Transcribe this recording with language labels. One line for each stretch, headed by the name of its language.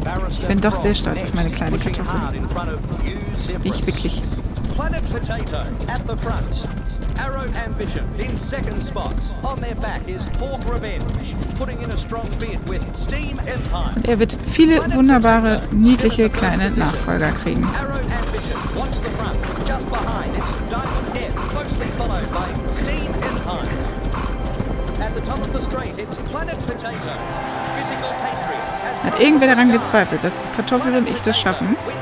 German: Ich bin doch sehr stolz auf meine kleine Kartoffel. Ich wirklich.
English: Planet Potato at the front. Arrow Ambition in second spot. On their back is Pork Revenge, putting in a strong bid with Steam Empire.
German: Und er wird viele wunderbare, niedliche kleine Nachfolger kriegen.
English: Arrow Ambition wants the front. Just behind it's Diamond Death, closely followed by Steam Empire. At the top of the straight, it's Planet Potato. Physical Patriots.
German: Hat irgendwer daran gezweifelt, dass Kartoffel und ich das schaffen?